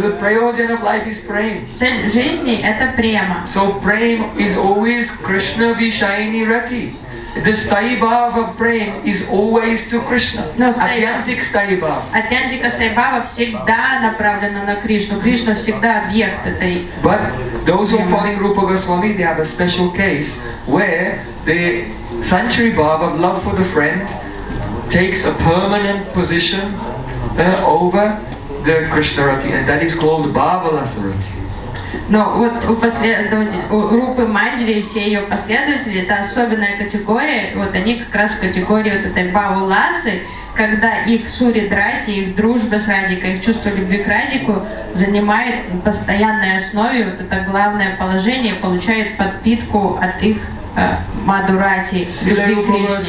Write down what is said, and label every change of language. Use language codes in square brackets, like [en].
[en] The prayojan of life is prem. [ru] Цель жизни – это према. [en] So prem is always Krishna Vishayini Rati. The sthayi bhava of prem is always to Krishna. [sa] Atyantik sthayi bhava. Atyantika sthayi bhava [ru] всегда направлена на Кришну. Кришна всегда объект этой. [en] But those who are following Rupa Goswami, they have a special case where the sanctuary bhava of love for the friend takes a permanent position over the Krishna rati, and that is called bhavalasa rati. [ru] Но вот у Рупы Манджари и все ее последователи, это особенная категория, вот они как раз в категории вот этой бавуласы, когда их сури драти, их дружба с Радикой, их чувство любви к Радику занимает постоянной основе, вот это главное положение, получает подпитку от их мадурати, любви к Кришне.